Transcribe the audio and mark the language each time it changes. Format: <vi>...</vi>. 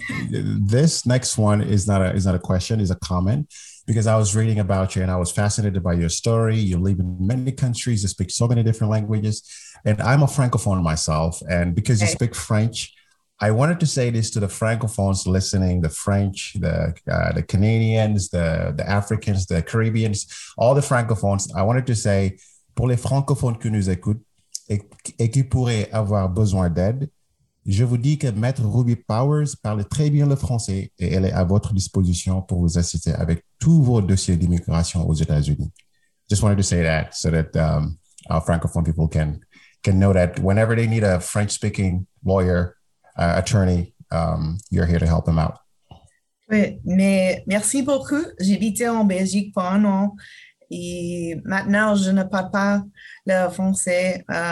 <en>This next one is not a question, is a comment, because I was reading about you and I was fascinated by your story. You live in many countries, you speak so many different languages, and I'm a Francophone myself. And because you speak French, I wanted to say this to the Francophones listening, the French, the Canadians, the Africans, the Caribbeans, all the Francophones. I wanted to say,</en> <fr>pour les Francophones qui nous écoutent et qui pourraient avoir besoin d'aide, je vous dis que Maître Ruby Powers parle très bien le français et elle est à votre disposition pour vous assister avec tous vos dossiers d'immigration aux États-Unis.</fr> <en>just wanted to say that so that our Francophone people can know that whenever they need a French-speaking lawyer, attorney, you're here to help them out.</en> <fr>Oui, mais merci beaucoup. J'habitais en Belgique pour un an et maintenant je ne parle pas le français.</fr>